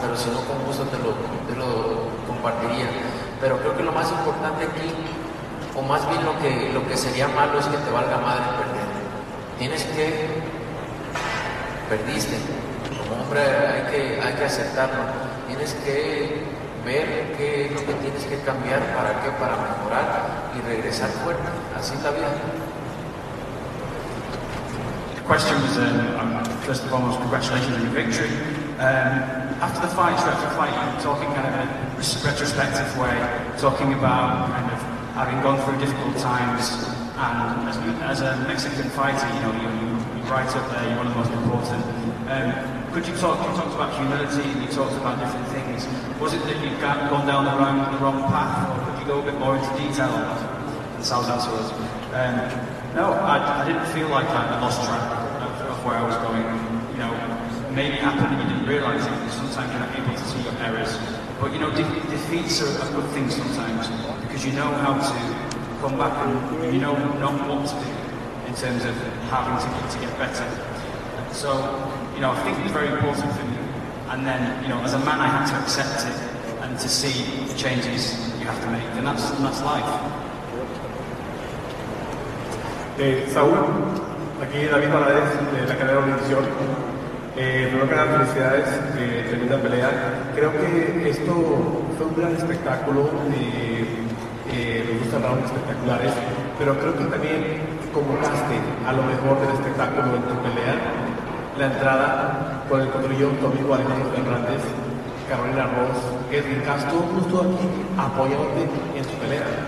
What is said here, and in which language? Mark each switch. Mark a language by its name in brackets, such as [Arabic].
[Spanish] Pero si no, con gusto te lo compartiría. Pero creo que lo más importante aquí, o más bien lo que sería malo, es que te valga madre perder. Tienes que... perdiste, como hombre hay que aceptarlo, tienes que ver qué es lo que tienes que cambiar, para qué, para mejorar y regresar fuerte, así está bien. [English] The question was, first of all, was congratulations on your victory. After the fight, you're talking kind of in a retrospective way, talking about kind of having gone through difficult times, and as a Mexican fighter, you know, right up there, you're one of the most important. Could you talk about humility, and you talked about different things. Was it that you have gone down the wrong path, or could you go a bit more into detail on that? And Sal's answer was, no, I didn't feel like I lost track of where I was going. You know, maybe it happened and you didn't realize it, but sometimes you're not able to see your errors. But you know, defeats are a good thing sometimes, because you know how to come back and you know not what to do, in terms of having to get better. So, you know, I think it's very important for me. And then, you know, as a man, I had to accept it and to see the changes you have to make. And that's life. [Spanish] Saúl, aquí David Valadez, de la Canelo Univisión. Primero que nada, felicidades, tremenda pelea. Creo que esto fue un gran espectáculo. Me gustan rounds espectaculares, pero creo que también convocaste a lo mejor del espectáculo en tu pelea, la entrada con el contrillón Tommy Guarino Hernández, Carolina Ross, Edwin Castro, justo aquí apoyándote en tu pelea.